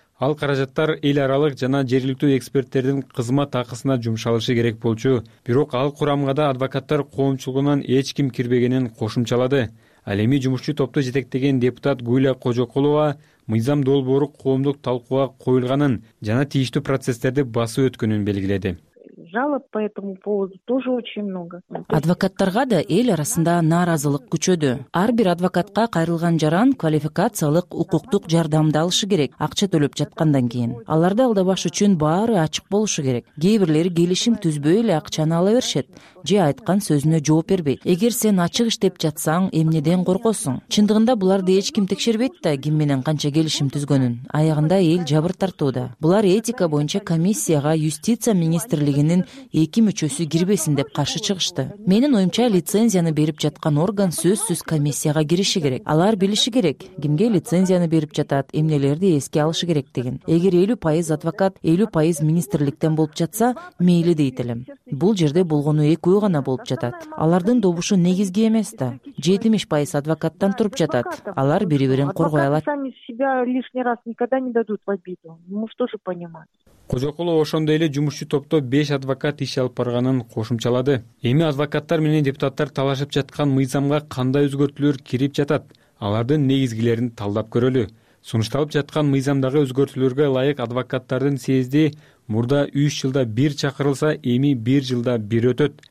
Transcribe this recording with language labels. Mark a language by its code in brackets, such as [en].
[ky] Ал каражаттар эл аралык жана жергиликтүү эксперттердин кызмат акысына жумшалышы керек болчу. Бирок ал курамга да адвокаттар коомчулугунан эч ким кирбегенин кошумчалады. Ал эми жумушчу топту жетектеген депутат Гүлия Кожокулова мыйзам долбоору коомдук талкууга коюлганын жана тийиштүү процесстерди басып өткөнүн белгиледи. [ru] Жалоб по этому поводу тоже очень много. [ky] Адвокаттарга да эл арасында нааразылык күчөдү. Ар бир адвокатка кайрылган жаран квалификациялык укуктук жардамды алышы керек, акча төлөп жаткандан кийин. Аларды алдабаш үчүн баары ачык болушу керек. Кээбирлери келишим түзбөй эле акчаны ала беришет же айткан сөзүнө жооп бербейт. Эгер сен ачык иштеп жатсаң, эмнеден коркосуң? Чындыгында буларды эч ким текшербейт да, ким менен канча келишим түзгөнүн. Аягында эл жабыр тартууда. Булар этика боюнча комиссияга юстиция министрлигинин эки мүчөсү кирбесин деп каршы чыгышты. Менин оюмча лицензияны берип жаткан орган сөзсүз комиссияга кириши керек. Алар билиши керек, кимге лицензияны берип жатат, эмнелерди эске алышы керектигин. Эгер 50% адвокат, 50% министрликтен болуп жатса, мейли дейт элем. Бул жерде болгону экөө гана болуп жатат. Алардын добушу негизги эмес да. 70% адвокаттан туруп жатат. Алар бири-бирин коргой алат. [ru] Сами себя лишний раз никогда не дадут в обиду. Мы что же понимаем? [ky] Кожокулова ошондой эле жумушчу топто 5 адвокат иш алып барганын кошумчалады. Эми адвокаттар менен депутаттар талашып жаткан мыйзамга кандай өзгөртүүлөр кирип жатат? Алардын негизгилерин талдап көрөлү. Сунушталып жаткан мыйзамдагы өзгөртүүлөргө ылайык адвокаттардын съезди мурда 3 жылда 1 чакырылса, эми 1 жылда 1 өтөт.